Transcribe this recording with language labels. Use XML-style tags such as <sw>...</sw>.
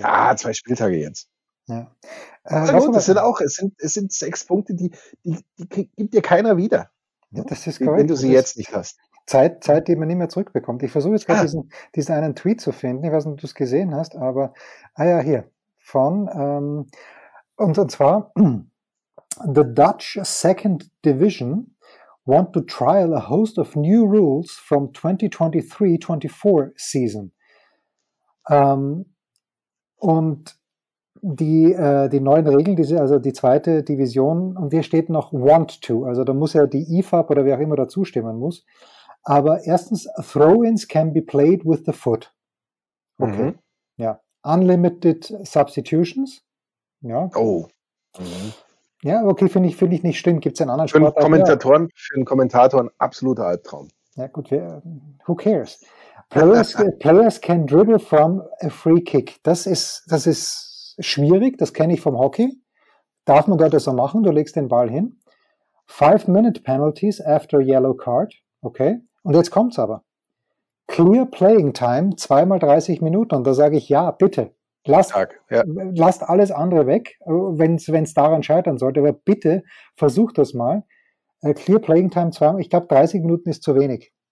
<de>Ja, 2 Spieltage jetzt. Ja. Gut, es sind 6 Punkte, die gibt dir keiner wieder. Ja, das ist korrekt. Wenn du sie jetzt nicht hast. Zeit, die man nicht mehr zurückbekommt. Ich versuche jetzt gerade diesen einen Tweet zu finden. Ich weiß nicht, ob du es gesehen hast, aber hier. Und zwar</de> <en>the Dutch second division want to trial a host of new rules from 2023-24 season.</en> <de>Und die neuen Regeln, die zweite Division, und hier steht noch</de> <en>want to,</en> <de>also da muss ja die IFAB oder wer auch immer dazu stimmen muss. Aber erstens,</de> <en>throw-ins can be played with the foot.</en> <de>Okay. Mhm. Ja.</de> <en>Unlimited substitutions. Ja.</en> <de>Oh. Mhm. Ja, okay, finde ich nicht schlimm. Gibt es einen anderen Sport? Für einen Kommentator ein absoluter Albtraum. Ja, gut.</de> <en>Who cares? Players can dribble from a free kick.</en> <de>Das ist schwierig. Das kenne ich vom Hockey. Darf man dort das so machen? Du legst den Ball hin.</de> <en>5-minute penalties after yellow card.</en> <de>Okay, und jetzt kommt's aber.</de> <en>Clear Playing Time,</en> <de>2x30 Minuten. Und da sage ich, ja, bitte, lasst alles andere weg, wenn es daran scheitern sollte. Aber bitte, versucht das mal.</de> <en>Clear Playing Time,</en> <de>ich glaube, 30 Minuten ist zu wenig.</de>